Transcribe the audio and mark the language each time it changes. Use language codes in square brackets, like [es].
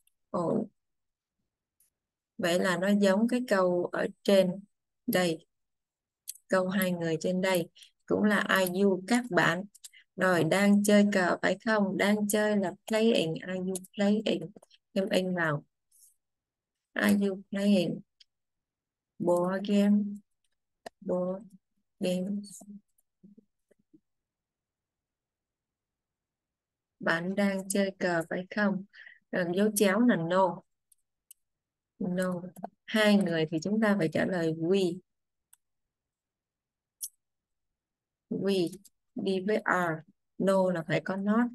[vi] Ồ. Vậy là nó giống cái câu ở trên đây. Câu hai người trên đây cũng là are you, các bạn. Rồi đang chơi cờ phải không? Đang chơi là playing. [en] Are you playing? [vi] Thêm in vào. [en] Are you playing board game? Board game. [vi] Bạn đang chơi cờ phải không? Đừng dấu chéo là no. No. Hai người thì chúng ta phải trả lời we. We đi với are. No là phải có not.